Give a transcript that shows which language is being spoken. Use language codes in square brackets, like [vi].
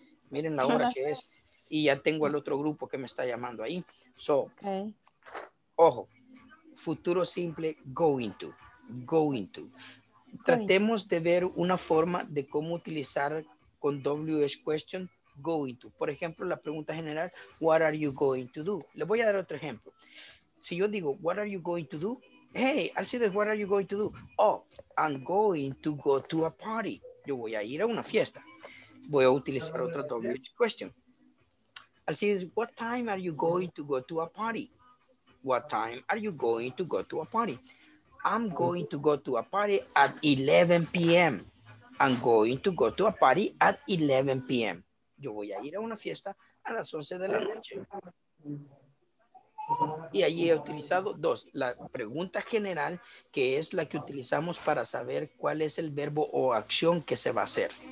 [es] Miren la hora que es. Y ya tengo al otro grupo que me está llamando ahí. [en] So, okay. [es] Ojo, futuro simple, going to. Going to. Tratemos de ver una forma de cómo utilizar con WH question going to. Por ejemplo, la pregunta general, [en] what are you going to do? [es] Le voy a dar otro ejemplo. Si yo digo, [en] what are you going to do? Hey, Alcides, what are you going to do? Oh, I'm going to go to a party. [es] Yo voy a ir a una fiesta. Voy a utilizar otra [en] WH question. Alcides, what time are you going to go to a party? What time are you going to go to a party? I'm going to go to a party at 11 p.m. I'm going to go to a party at 11 p.m. [es] Yo voy a ir a una fiesta a las 11 de la noche. Y allí he utilizado dos. La pregunta general, que es la que utilizamos para saber cuál es el verbo o acción que se va a hacer.